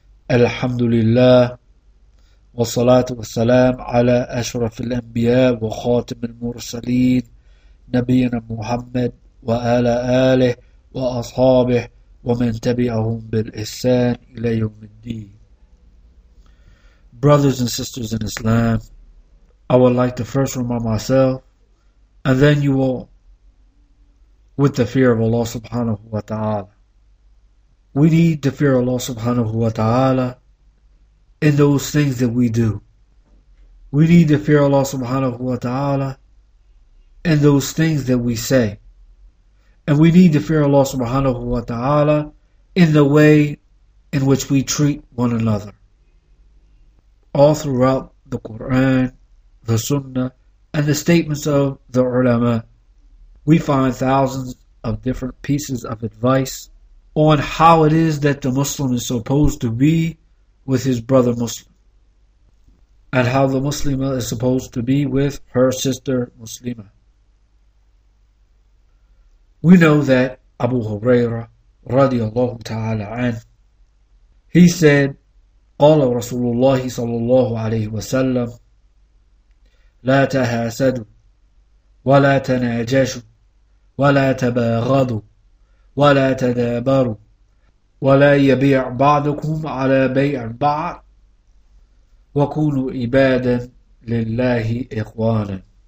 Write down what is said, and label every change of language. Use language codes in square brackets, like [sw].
[ar] الحمد لله والصلاة والسلام على أشرف الأنبياء وخاتم المرسلين نبينا محمد وعلى آله وأصحابه ومن تبعهم بالإحسان إلى يوم الدين. [en] Brothers and sisters in Islam, I would like to first remind myself and then you all with the fear of Allah subhanahu wa ta'ala. We need to fear Allah subhanahu wa ta'ala in those things that we do. We need to fear Allah subhanahu wa ta'ala in those things that we say. And we need to fear Allah subhanahu wa ta'ala in the way in which we treat one another. All throughout the Quran, the Sunnah, and the statements of the ulama, we find thousands of different pieces of advice on how it is that the Muslim is supposed to be with his brother Muslim, and how the Muslima is supposed to be with her sister Muslima. We know that Abu Hurairah radiallahu ta'ala anhu, he said, [ar] قال رسول الله صلى الله عليه وسلم لا تحاسدوا ولا تناجشوا ولا تباغضوا ولا تدابروا ولا يبيع بعضكم على بيع بعض وكونوا عبادا لله إخوانا.